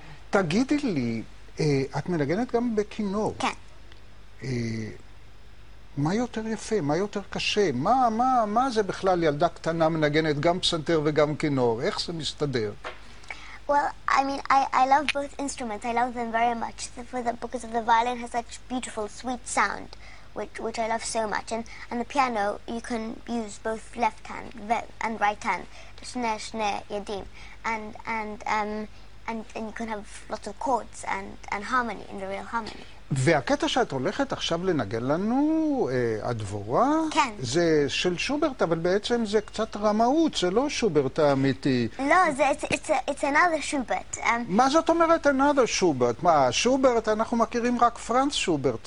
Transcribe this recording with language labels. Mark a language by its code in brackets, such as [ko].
[he] תגידי לי, את מנגנת גם בכינור. כן. מה יותר יפה? מה יותר קשה? מה זה בכלל ילדה קטנה מנגנת גם פסנתר וגם כינור? איך זה מסתדר? [en] Well, I mean, I love both instruments. I love them very much because of the violin has such beautiful, sweet sound, which I love so much. And the piano, you can use both left hand and right hand. [he] שני ידים. [en] And you can have lots of chords and harmony, and the real harmony. [he] והקטע שאת הולכת עכשיו לנגן לנו, הדבורה, כן. זה של שוברט, אבל בעצם זה קצת רמאות, זה לא שוברט האמיתי. לא, זה, [en] it's another [he] שוברט. מה זאת אומרת [en] another [he] שוברט? מה, שוברט, אנחנו מכירים רק פרנץ שוברט.